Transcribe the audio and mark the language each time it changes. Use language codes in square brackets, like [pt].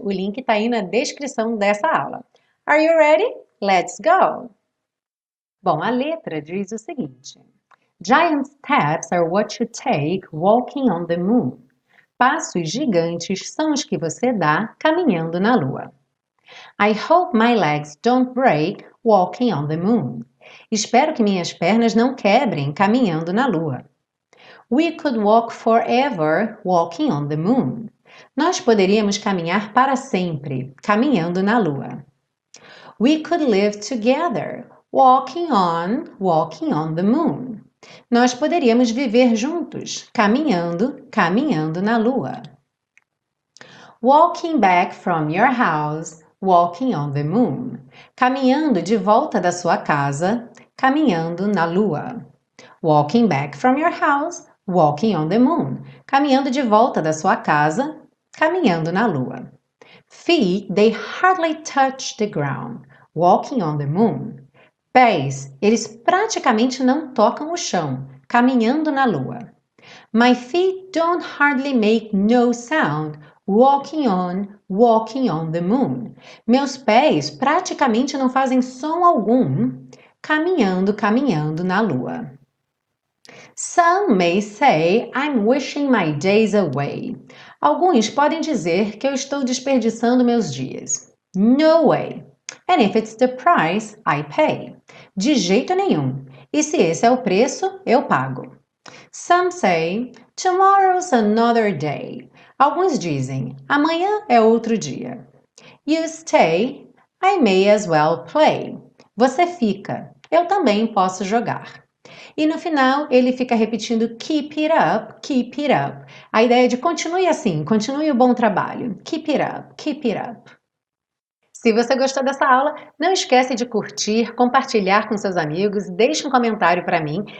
[pt] O link está aí na descrição dessa aula. [en] Are you ready? Let's go! [pt] Bom, a letra diz o seguinte: [en] Giant steps are what you take walking on the moon. [pt] Passos gigantes são os que você dá caminhando na lua. [en] I hope my legs don't break walking on the moon. [pt] Espero que minhas pernas não quebrem caminhando na lua. [en] We could walk forever walking on the moon. [pt] Nós poderíamos caminhar para sempre caminhando na lua. [en] We could live together walking on the moon. [pt] Nós poderíamos viver juntos, caminhando, caminhando na lua. [en] Walking back from your house, walking on the moon. [pt] Caminhando de volta da sua casa, caminhando na lua. [en] Walking back from your house, walking on the moon. [pt] Caminhando de volta da sua casa, caminhando na lua. [en] Feet, they hardly touch the ground, walking on the moon. [pt] Pés, eles praticamente não tocam o chão, caminhando na lua. [en] My feet don't hardly make no sound, walking on the moon. [pt] Meus pés praticamente não fazem som algum, caminhando, caminhando na lua. [en] Some may say I'm wishing my days away. [pt] Alguns podem dizer que eu estou desperdiçando meus dias. [en] No way. And if it's the price, I pay. [pt] De jeito nenhum. E se esse é o preço, eu pago. [en] Some say, tomorrow's another day. [pt] Alguns dizem, amanhã é outro dia. [en] You stay, I may as well play. [pt] Você fica, eu também posso jogar. E no final, ele fica repetindo, [en] keep it up. [pt] A ideia é de continue assim, continue o bom trabalho. [en] Keep it up, keep it up. [pt] Se você gostou dessa aula, não esquece de curtir, compartilhar com seus amigos, deixe um comentário para mim.